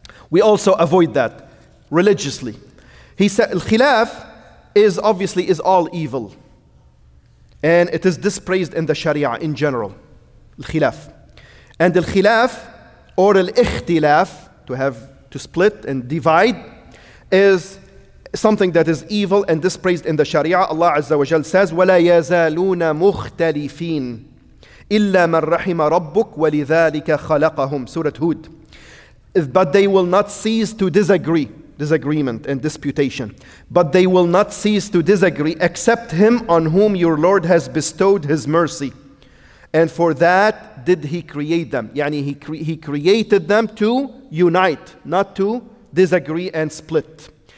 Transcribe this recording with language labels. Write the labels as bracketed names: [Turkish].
[English] We also avoid that religiously. He said, "Al-khilaf is obviously is all evil, and it is dispraised in the Sharia in general. Al-khilaf, and al-khilaf or al-ikhtilaf, to have to split and divide, is something that is evil and dispraised in the Sharia. [Arabic] Allah Azza wa Jalla [English] says, [Arabic] "ولا يزالون مختلفين إلا من رحم ربك ولذلك خلقهم." [English] Surah Hud. But they will not cease to disagree, disagreement and disputation. But they will not cease to disagree except him on whom your Lord has bestowed his mercy. And for that did he create them. Yani he created them to unite, not to disagree and split.